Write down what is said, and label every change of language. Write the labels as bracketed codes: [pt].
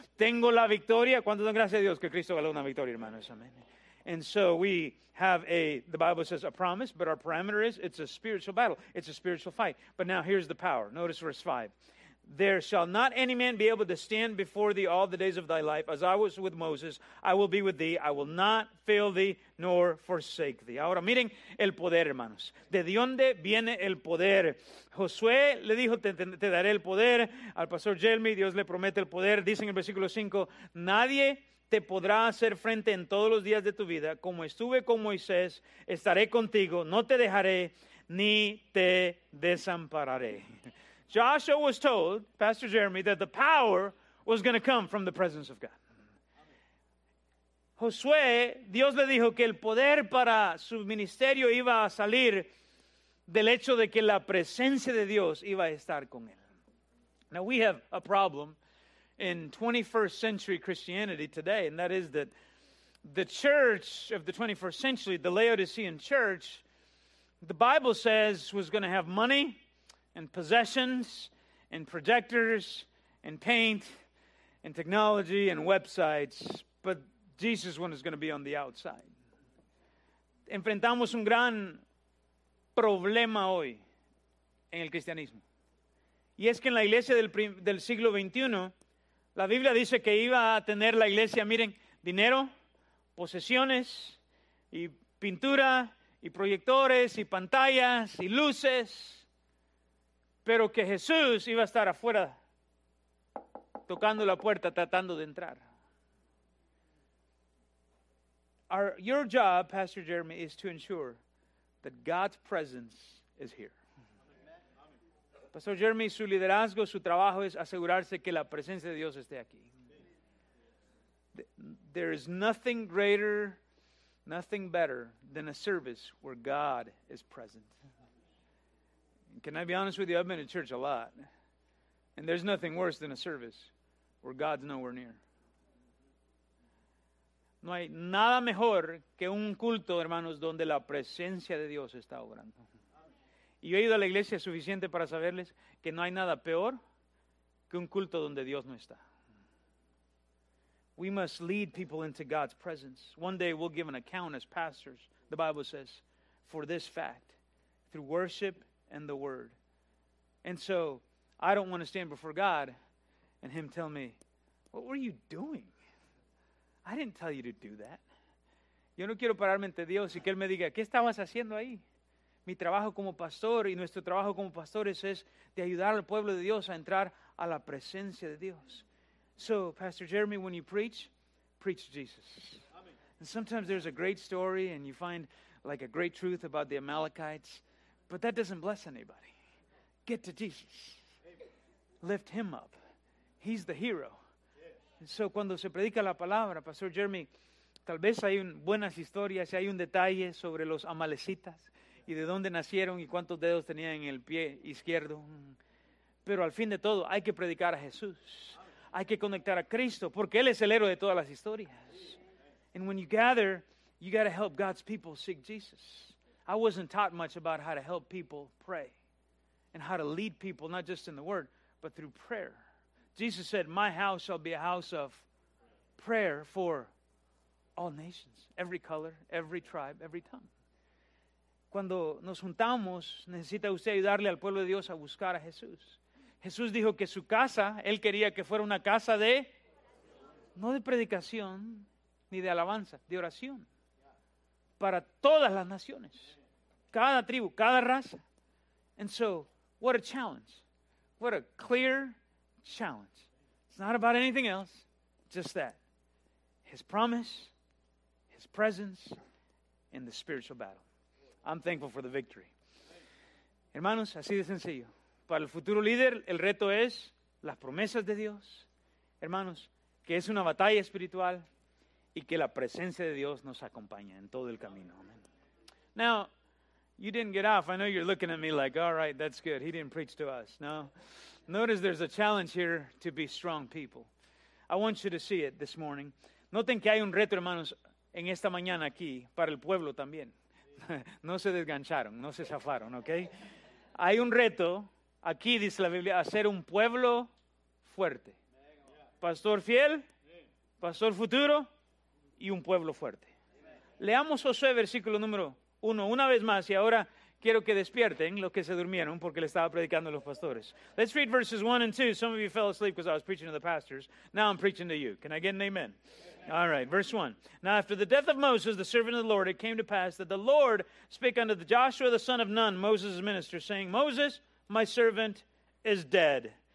[es] Tengo la victoria. ¿Cuánto dan gracias a Dios que Cristo ganó una victoria, hermanos? Amén. [en] And so we have the Bible says a promise, but our parameter is, it's a spiritual battle. It's a spiritual fight. But now here's the power. Notice verse 5. There shall not any man be able to stand before thee all the days of thy life. As I was with Moses, I will be with thee. I will not fail thee nor forsake thee. [es] Ahora miren el poder, hermanos. ¿De dónde viene el poder? Josué le dijo, te daré el poder. Al pastor Jeremy, Dios le promete el poder. Dice en el versículo 5, nadie te podrá hacer frente en todos los días de tu vida. Como estuve con Moisés, estaré contigo. No te dejaré ni te desampararé. [en] Joshua was told, Pastor Jeremy, that the power was going to come from the presence of God. [es] Josué, Dios le dijo que el poder para su ministerio iba a salir del hecho de que la presencia de Dios iba a estar con él. [en] Now we have a problem in 21st century Christianity today, and that is that the church of the 21st century, the Laodicean church, the Bible says was going to have money, and possessions, and projectors, and paint, and technology, and websites, but Jesus one is going to be on the outside. [es] Enfrentamos un gran problema hoy en el cristianismo. Y es que en la iglesia del siglo XXI, la Biblia dice que iba a tener la iglesia, miren, dinero, posesiones, y pintura, y proyectores, y pantallas, y luces, pero que Jesús iba a estar afuera, tocando la puerta, tratando de entrar. [en] Your job, Pastor Jeremy, is to ensure that God's presence is here. [es] Pastor Jeremy, su liderazgo, su trabajo es asegurarse que la presencia de Dios esté aquí. [en] There is nothing greater, nothing better than a service where God is present. Can I be honest with you? I've been to church a lot. And there's nothing worse than a service where God's nowhere near. [es] No hay nada mejor que un culto, hermanos, donde la presencia de Dios está obrando. Y yo he ido a la iglesia suficiente para saberles que no hay nada peor que un culto donde Dios no está. [en] We must lead people into God's presence. One day we'll give an account as pastors, the Bible says, for this fact, through worship and the word. And so I don't want to stand before God and him tell me, what were you doing? I didn't tell you to do that. [es] Yo no quiero pararme ante Dios y que él me diga, ¿qué estabas haciendo ahí? Mi trabajo como pastor y nuestro trabajo como pastores es de ayudar al pueblo de Dios a entrar a la presencia de Dios. [en] So Pastor Jeremy, when you preach, preach Jesus. And sometimes there's a great story and you find like a great truth about the Amalekites. But that doesn't bless anybody. Get to Jesus. Lift him up. He's the hero. [es] So cuando se predica la palabra, Pastor Jeremy, tal vez hay buenas historias y hay un detalle sobre los amalecitas y de dónde nacieron y cuántos dedos tenían en el pie izquierdo. Pero al fin de todo, hay que predicar a Jesús. Hay que conectar a Cristo, porque Él es el héroe de todas las historias. [en] And when you gather, you got to help God's people seek Jesus. I wasn't taught much about how to help people pray and how to lead people, not just in the Word, but through prayer. Jesus said, my house shall be a house of prayer for all nations, every color, every tribe, every tongue. [es] Cuando nos juntamos, necesita usted ayudarle al pueblo de Dios a buscar a Jesús. Jesús dijo que su casa, Él quería que fuera una casa de, no de predicación, ni de alabanza, de oración. Para todas las naciones, cada tribu, cada raza. [en] And so, what a challenge. What a clear challenge. It's not about anything else, just that. His promise, His presence, and the spiritual battle. I'm thankful for the victory. [es] Hermanos, así de sencillo. Para el futuro líder, el reto es las promesas de Dios. Hermanos, que es una batalla espiritual y que la presencia de Dios nos acompaña en todo el camino. [en] Amen. Now, you didn't get off. I know you're looking at me like, all right, that's good. He didn't preach to us. No. Notice there's a challenge here to be strong people. I want you to see it this morning. [es] Noten que hay un reto, hermanos, en esta mañana aquí para el pueblo también. No se desgancharon, no se zafaron, ¿ok? Hay un reto. Aquí dice la Biblia, hacer un pueblo fuerte. Pastor fiel, pastor futuro y un pueblo fuerte. Leamos Josué versículo número 1 una vez más y ahora quiero que despierten los que se durmieron porque le estaba predicando a los pastores. [en] Let's read verses 1 and 2. Some of you fell asleep because I was preaching to the pastors. Now I'm preaching to you. Can I get an amen? All right, verse 1. Now after the death of Moses, the servant of the Lord, it came to pass that the Lord spake unto the Joshua, the son of Nun, Moses' minister, saying, Moses, my servant is dead.